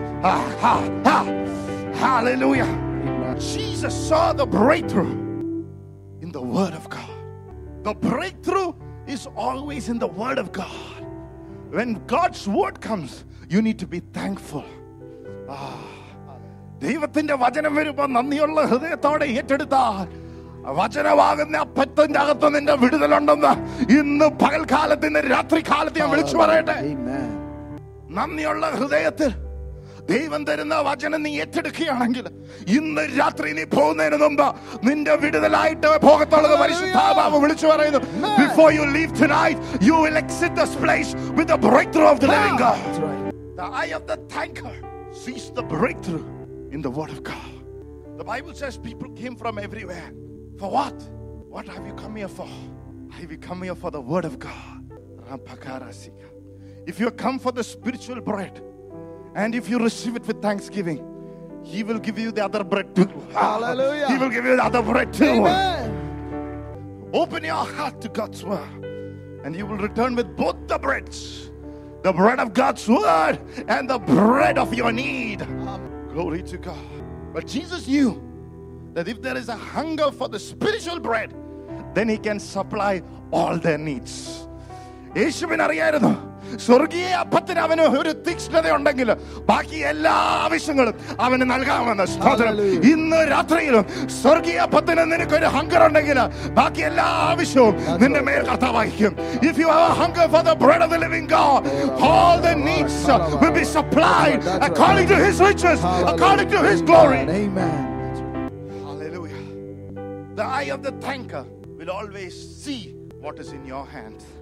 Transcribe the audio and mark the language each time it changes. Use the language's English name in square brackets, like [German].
[English] Ha, ha, ha. Hallelujah. Amen. Jesus saw the breakthrough in the word of God. The breakthrough is always in the word of God. When God's word comes, you need to be thankful. [Malayalam] Ah. ദൈവത്തിന്റെ വചനം വരുമ്പോ നന്ദിയുള്ള ഹൃദയത്തോടെ ഏറ്റെടുത്താൽ വചനവാകുന്ന അപ്പത്തിന്റെ അകത്ത് നിന്റെ വിടുതലുണ്ടെന്ന് ഇന്ന് പകൽക്കാലത്ത് നിന്ന് രാത്രി കാലത്ത് ഞാൻ വിളിച്ചു പറയട്ടെ. നന്ദിയുള്ള ഹൃദയത്തിൽ ദൈവം തരുന്ന വചനം നീ ഏറ്റെടുക്കുകയാണെങ്കിൽ ഇന്ന് രാത്രി നീ പോകുന്നതിന് മുമ്പ് നിന്റെ വിടുതലായിട്ട് പോകത്തുള്ളത് പരിശുദ്ധാത്മാവ് വിളിച്ചു പറയുന്നു. [English] Before you leave tonight, you will exit this place with the breakthrough of the living God. That's right. The eye of the thanker sees the breakthrough in the word of God. The Bible says people came from everywhere. For what? What have you come here for? Have you come here for the word of God? Rampakarasika. If you come for the spiritual bread, and if you receive it with thanksgiving, he will give you the other bread too. Hallelujah. He will give you the other bread too. Amen. Open your heart to God's word, and you will return with both the breads. The bread of God's word and the bread of your need. Glory to God. But Jesus knew that if there is a hunger for the spiritual bread, then he can supply all their needs. [Malayalam] യേശുവിന് അറിയായിരുന്നു സ്വർഗീയ അപ്പത്തിന് അവന് ഒരു തീക്ഷ്ണത ഉണ്ടെങ്കിൽ ബാക്കി എല്ലാ ആവശ്യങ്ങളും അവന് നൽകാമെന്ന്. സ്തോത്രം. ഇന്ന് രാത്രിയിലും സ്വർഗീയ അപ്പത്തിന് നിനക്ക് ഒരു ഹങ്കർ ഉണ്ടെങ്കിൽ ബാക്കി എല്ലാ ആവശ്യവും നിന്റെ മേൽ കർത്താവ് വഹിക്കും. [English] If you have a hunger for the bread of the living God, all the needs will be supplied according to his riches, according to his glory. Amen. Hallelujah. The eye of the thanker will always see what is in your hand.